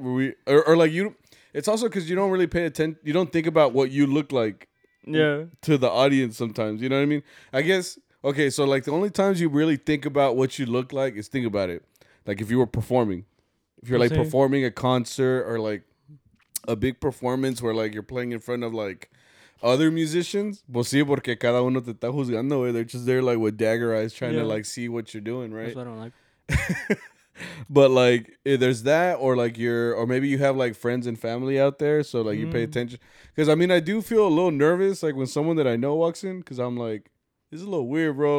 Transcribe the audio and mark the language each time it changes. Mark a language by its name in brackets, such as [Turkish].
[English] Were we, or like, you, it's also because you don't really pay attention, you don't think about what you look like to the audience sometimes, you know what I mean? I guess, okay, so, like, the only times you really think about what you look like is think about it. Like, if you were performing, if you're, like, performing a concert or, like, a big performance where, like, you're playing in front of, like, [Spanish] other musicians, pues sí, porque cada uno te está juzgando, güey. [English] They're just there, like, with dagger eyes, trying to, like, see what you're doing, right? That's what I don't like. But like there's that, or like you're, or maybe you have like friends and family out there, so like you pay attention, because I mean I do feel a little nervous like when someone that I know walks in, because I'm like, this is a little weird, bro.